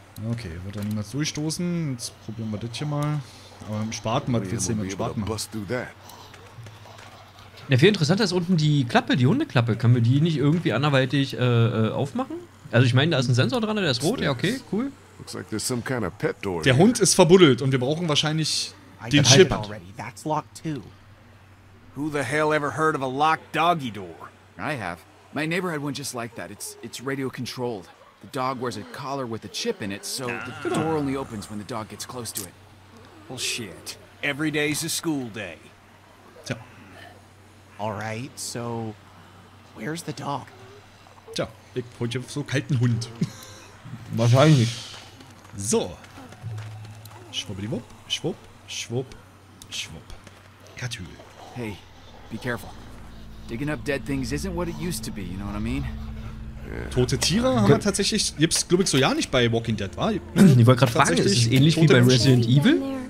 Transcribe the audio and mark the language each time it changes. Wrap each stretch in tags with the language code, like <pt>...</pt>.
<de>Okay, wird dann niemals durchstoßen. Jetzt probieren wir das hier mal. Aber mit dem Spaten, was willst du denn mit dem Spaten machen? Ja, viel interessanter ist unten die Klappe, die Hundeklappe. Können wir die nicht irgendwie anderweitig aufmachen? Also ich meine, da ist ein Sensor dran, der ist rot, ja okay, cool.</de> <en>Looks like there's some kind of pet door.</en> <de>Der Hund ist verbuddelt und wir brauchen wahrscheinlich den Chip.</de> <en>That's locked too. Who the hell ever heard of a locked doggy door? I have. My neighbor had one just like that. It's radio controlled. The dog wears a collar with a chip in it, so the door only opens when the dog gets close to it. Well shit. Every day's a school day. So. All right, so where's the dog?</en> <de>Tja, ich wollte so kalten Hund. Wahrscheinlich. So. Schwuppidiwupp, schwupp, schwupp, schwupp. Katül.</de> <en>Hey, be careful. Digging up dead things isn't what it used to be, you know what I mean?</en> <de>Tote Tiere haben wir tatsächlich, gibt's glaube ich so ja nicht bei Walking Dead, wa? Ich wollte gerade fragen, ist es ähnlich wie bei Resident Evil?</de>